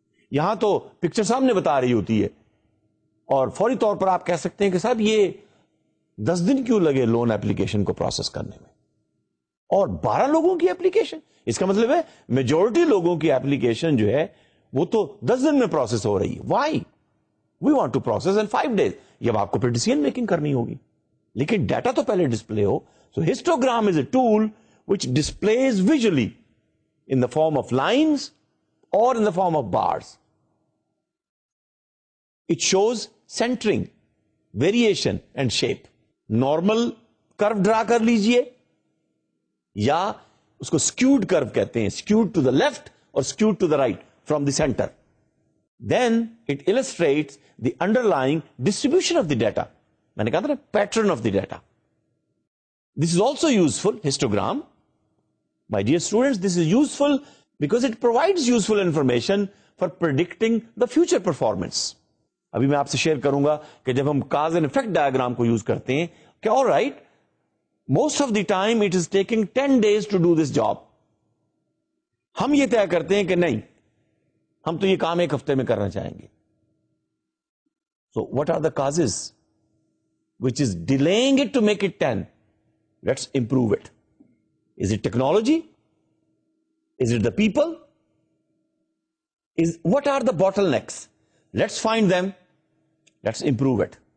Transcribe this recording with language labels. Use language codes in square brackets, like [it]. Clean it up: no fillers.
[ur] یہاں تو پکچر سامنے بتا رہی ہوتی ہے اور فوری طور پر آپ کہہ سکتے ہیں کہ صاحب یہ 10 دن کیوں لگے لون اپلیکیشن کو پروسیس کرنے میں، اور 12 لوگوں کی اپلیکیشن، اس کا مطلب ہے میجورٹی لوگوں کی اپلیکیشن جو ہے وہ تو 10 دن میں پروسیس ہو رہی ہے. [en] Why? We want to process in 5 days. [ur] یہ آپ کو پھر ڈیسیژن میکنگ کرنی ہوگی، لیکن ڈیٹا تو پہلے display ہو. [en] So histogram is a tool which displays visually in the form of lines or in the form of bars. It shows centering, variation and shape. [ur] Normal کرو ڈرا کر لیجئے یا اس کو اسکیوڈ کرو کہتے ہیں، [en] Skewed to the left or skewed to the right from the center. Then it illustrates the underlying distribution of the data. [ur] میں نے کہا تھا [en] pattern of the data. This is also useful, histogram. My dear students, this is useful because it provides useful information for predicting the future performance. [ur] ابھی میں آپ سے share کروں گا کہ جب ہم cause and effect diagram کو use کرتے ہیں کہ [en] all right, most of the time it is taking 10 days to do this job. [ur] ہم یہ طے کرتے ہیں کہ نہیں، ہم تو یہ کام ایک ہفتے میں کرنا چاہیں گے. [en] So what are the causes which is delaying it to make it 10؟ Let's improve it. Is it technology? Is it the people? What are the bottlenecks? Let's find them, let's improve it.